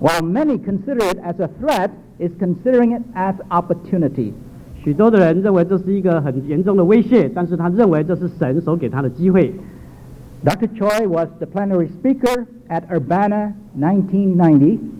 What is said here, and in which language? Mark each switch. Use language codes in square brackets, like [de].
[en] while many consider it as a threat, is considering it as opportunity. [zh] 许多的人认为这是一个很严重的威胁, 但是他认为这是神所给他的机会。 [en] Dr. Choi was the plenary speaker at Urbana 1990.